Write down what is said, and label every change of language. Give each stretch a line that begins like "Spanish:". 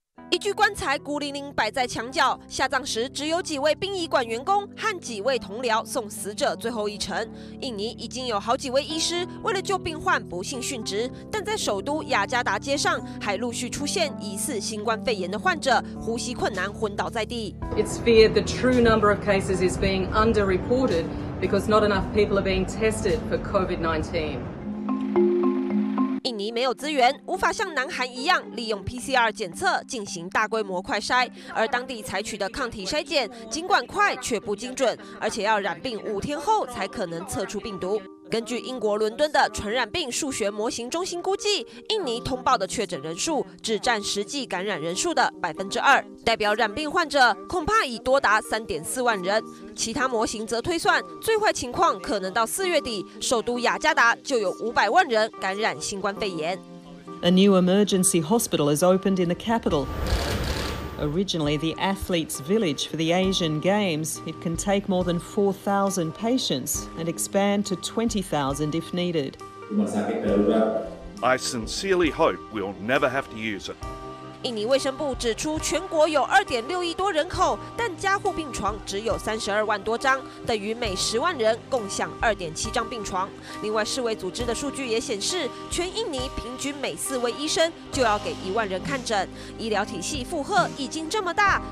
Chinese: 一具棺材孤零零摆在墙角，下葬时只有几位殡仪馆员工和几位同僚送死者最后一程。印尼已经有好几位医师为了救病患不幸殉职，但在首都雅加达街上还陆续出现疑似新冠肺炎的患者呼吸困难昏倒在地。
English: It's feared the true number of cases is being underreported because not enough people are being tested for COVID-19.
Chinese: 印尼没有资源，无法像南韩一样利用 PCR 检测进行大规模快筛，而当地采取的抗体筛检尽管快却不精准，而且要染病五天后才可能测出病毒。根据英国伦敦的传染病数学模型中心估计，印尼通报的确诊人数只占实际感染人数的2%，代表染病患者恐怕已多达3.4万人。其他模型则推算，最坏情况可能到4月底，首都雅加达就有500万人感染新冠肺炎。
English: A new emergency hospital is opened in the capital. Originally the athletes' village for the Asian Games, it can take more than 4,000 patients and expand to 20,000 if needed. I sincerely hope we'll never have to use it.
Chinese: 印尼卫生部指出，全国有2.6亿多人口，但加护病床只有32万多张，等于每10万人共享2.7张病床。另外，世卫组织的数据也显示，全印尼平均每4位医生就要给10000人看诊，医疗体系负荷已经这么大。